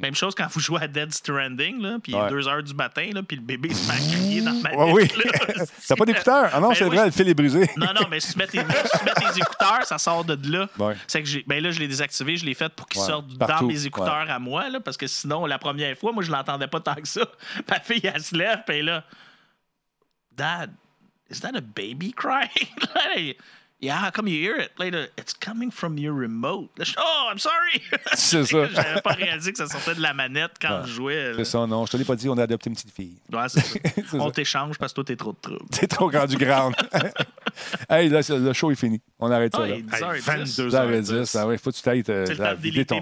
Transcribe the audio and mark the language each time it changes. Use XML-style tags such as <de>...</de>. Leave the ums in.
<fr>Même chose quand vous jouez à Dead Stranding, puis ouais. il il 2h du matin, puis le bébé se met à crier dans ma ouais tête. Oui. T'as pas d'écouteurs? Ah non, ben c'est vrai, le, je... le fil est brisé. Non, non, mais si tu mets tes, si tu mets tes écouteurs, ça sort de là. C'est que ai... ben là, je l'ai désactivé, je l'ai fait pour qu'il sortent sorte Partout. dans mes écouteurs à moi, là, parce que sinon, la première fois, moi, je l'entendais pas tant que ça. Ma fille, elle se lève, puis là, a...</fr> <en>Dad, is that a baby crying? Yeah, how come you hear it later? It's coming from your remote. Oh, I'm sorry.</en> <fr>C'est ça. J'avais pas réalisé que ça sortait de la manette quand ouais. je jouais. C'est ça, non. Je te l'ai pas dit, on a adopté une petite fille. Ouais, c'est ça. on t'échange parce que toi, t'es trop de trouble. T'es trop grand du grand. hey, là, le show est fini. On arrête ah, ça. là. 10 hey, 10 22h10. Ah, ouais, faut que tu t'ailles. le de</fr>